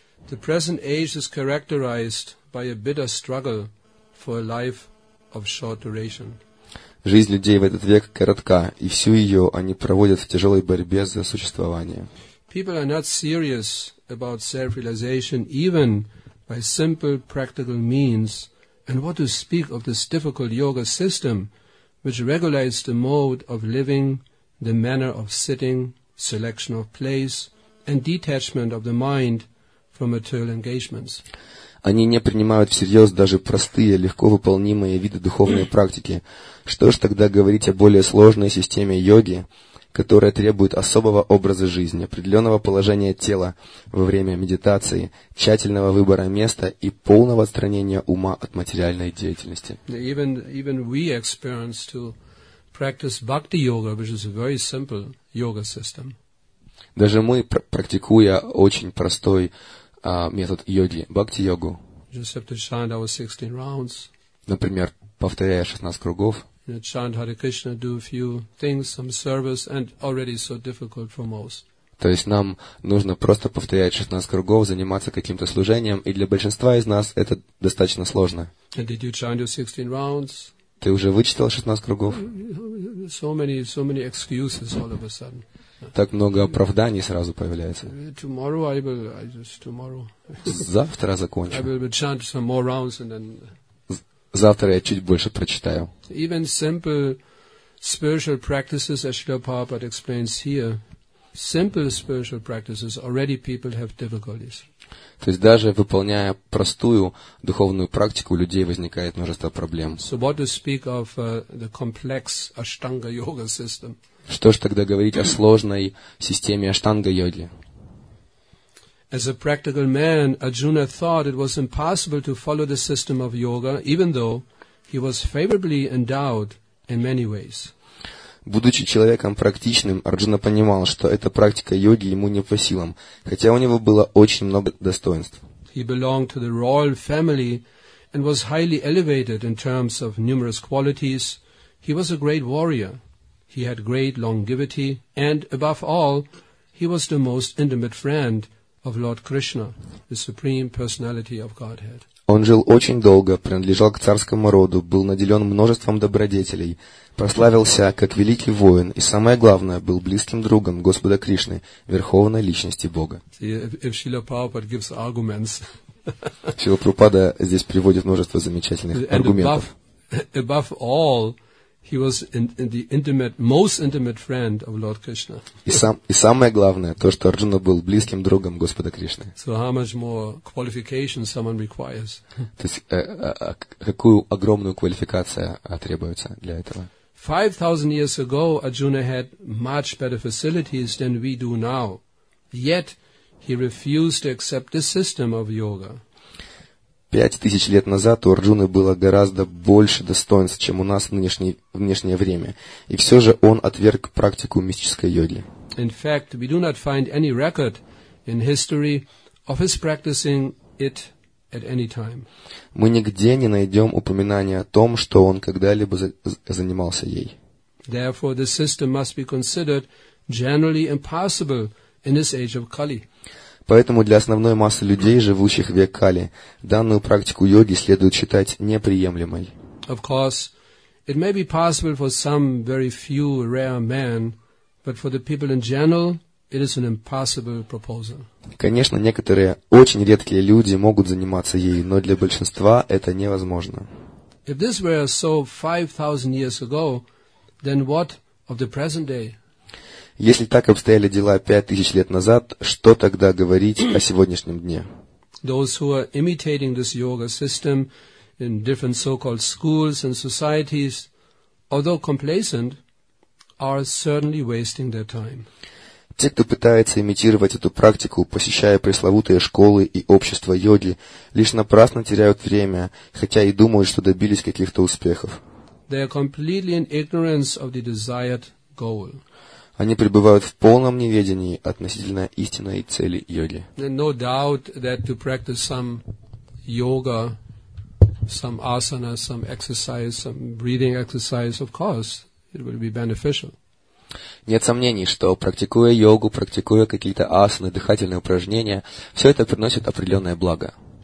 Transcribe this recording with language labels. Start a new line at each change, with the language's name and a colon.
English: The present age is characterized by a bitter struggle for a life of short duration.
Russian: Жизнь людей в этот век коротка, и всю ее они проводят в тяжелой борьбе за существование.
English: People are not serious about self-realization even by simple practical means And what to speak of this difficult yoga system, which regulates the mode of living, the manner of sitting, selection of place, and detachment of the mind from material engagements.
Russian: Они не принимают всерьез даже простые, легко выполнимые виды духовной практики. Что ж тогда говорить о более сложной системе йоги, которая требует особого образа жизни, определенного положения тела во время медитации, тщательного выбора места и полного отстранения ума от материальной деятельности.
English: Even we experience to practice bhakti yoga, which is a very simple yoga system.
Russian: Даже мы, практикуя очень простой метод йоги, бхакти-йогу,
English: just have to chant our 16 rounds,
Russian: например, повторяя 16 кругов,
English: chant Hare Krishna, do a few things, some service, and already so difficult for most.
Russian: То есть нам нужно просто повторять 16 кругов, заниматься каким-то служением, и для большинства из нас это достаточно сложно.
English: And did you chant your 16 rounds?
Russian: Ты уже вычитал 16 кругов?
English: So many excuses all of a sudden.
Russian: Так много оправданий сразу появляется.
English: Tomorrow I will, I just tomorrow.
Russian: Завтра закончу.
English: I will chant some more rounds and then...
Russian: Завтра я чуть больше прочитаю.
English: Even simple spiritual practices, as Srila Prabhupada explains here, simple spiritual practices, already people have difficulties.
Russian: То есть даже выполняя простую духовную практику, у людей возникает множество проблем.
English: So what to speak of the complex Ashtanga yoga system?
Russian: Что ж тогда говорить о сложной системе аштанга-йоги?
English: As a practical man, Arjuna thought it was impossible to follow the system of yoga, even though he was favorably endowed in many ways.
Russian: Будучи человеком практичным, Арджуна понимал, что эта практика йоги ему не по силам, хотя у него было очень много достоинств.
English: He belonged to the royal family and was highly elevated in terms of numerous qualities. He was a great warrior. He had great longevity, and above all, he was the most intimate friend of Lord Krishna, the Supreme Personality of Godhead.
Russian: Он жил очень долго, принадлежал к царскому роду, был наделен множеством добродетелей, прославился как великий воин и, самое главное, был близким другом Господа Кришны, Верховной Личности Бога.
English: Srila Prabhupada gives arguments.
Russian: Srila Prabhupada здесь приводит множество замечательных аргументов.
English: Above all, he was the intimate, most intimate friend of Lord Krishna.
Russian: И самое главное, то, что Арджуна был близким другом Господа Кришны.
English: So how much more qualification someone requires?
Russian: То есть, какую огромную квалификацию требуется для этого?
English: 5,000 years ago, Arjuna had much better facilities than we do now. Yet, he refused to accept this system of yoga.
Russian: 5000 лет назад у Арджуны было гораздо больше достоинств, чем у нас в нынешнее время. И все же он отверг практику мистической йоги.
English: In fact, we do not find any record in history of his practicing it at any time.
Russian: Мы нигде не найдем упоминания о том, что он когда-либо занимался ей.
English: Therefore, this system must be considered generally impossible in this age of Kali.
Russian: Поэтому для основной массы людей, живущих в век Кали, данную практику йоги следует считать неприемлемой.
English: Of course, it may be possible for some very few rare men, but for the people in general, it is an impossible proposal.
Russian: Конечно, некоторые очень редкие люди могут заниматься ей, но для большинства это невозможно.
English: If this were so 5,000 years ago, then what of the present day?
Russian: Если так обстояли дела 5000 лет назад, что тогда говорить о сегодняшнем дне?
English: Those who are imitating this yoga system in different so-called schools and societies, although complacent, are certainly wasting their time.
Russian: Те, кто пытается имитировать эту практику, посещая пресловутые школы и общество йоги, лишь напрасно теряют время, хотя и думают, что добились каких-то успехов.
English: They are completely in ignorance of the desired goal.
Russian: Они пребывают в полном неведении относительно истинной цели йоги.
English: No doubt that to practice some yoga, some asana, some exercise, some breathing exercise, of course, it will be beneficial.
Russian: Нет сомнений, что практикуя йогу, практикуя какие-то асаны, дыхательные упражнения, все это приносит определенное благо.